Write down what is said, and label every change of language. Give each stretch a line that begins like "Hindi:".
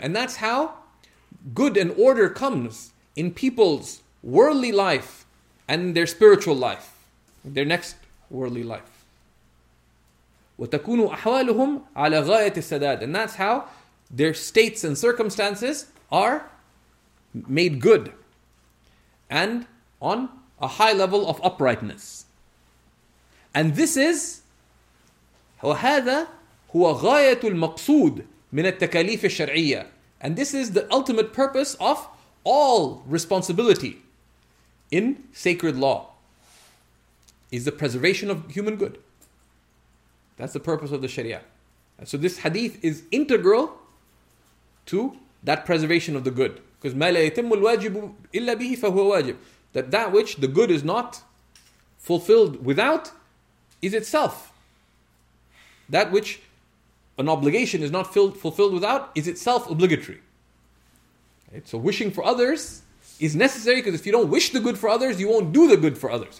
English: And that's how good and order comes in people's worldly life and their spiritual life, their next worldly life.
Arabic: وَتَكُونُ أَحْوَالُهُمْ عَلَى غَايَةِ السَّدَادِ.
English: And that's how their states and circumstances are made good and on a high level of uprightness. And this is
Arabic: وَهَذَا هُوَ غَايَةُ الْمَقْصُودِ مِنَ التَّكَالِيفِ الشَّرْعِيَّةِ.
English: And this is the ultimate purpose of all responsibility in sacred law, is the preservation of human good. That's the purpose of the Sharia. And so this hadith is integral to that preservation of the good. Because
Arabic: مَا لَا يَتِمُّ الْوَاجِبُ إِلَّا بِهِ فَهُوَ وَاجِبُ.
English: That which the good is not fulfilled without is itself. That which an obligation is not fulfilled without is itself obligatory. Right? So wishing for others is necessary, because if you don't wish the good for others, you won't do the good for others.